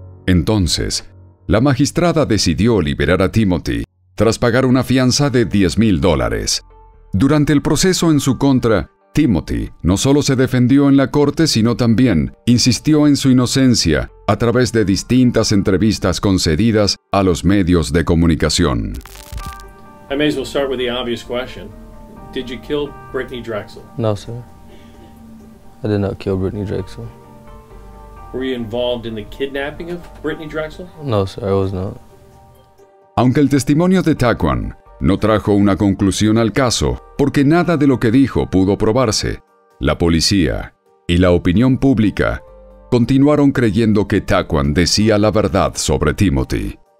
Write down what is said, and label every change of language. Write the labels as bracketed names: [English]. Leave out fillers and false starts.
[Spanish] Entonces, la magistrada decidió liberar a Timothy tras pagar una fianza de $10,000. Durante el proceso en su contra, Timothy no solo se defendió en la corte, sino también insistió en su inocencia a través de distintas entrevistas concedidas a los medios de comunicación. [English] I may as well start with the obvious question. Did you kill Brittany Drexel? No, sir. I did not kill Brittany Drexel. Were you involved in the kidnapping of Brittany Drexel? No, sir, I was not. [Spanish] Aunque el testimonio de Taquan no trajo una conclusión al caso, porque nada de lo que dijo pudo probarse, la policía y la opinión pública continuaron creyendo que Taquan decía la verdad sobre Timothy.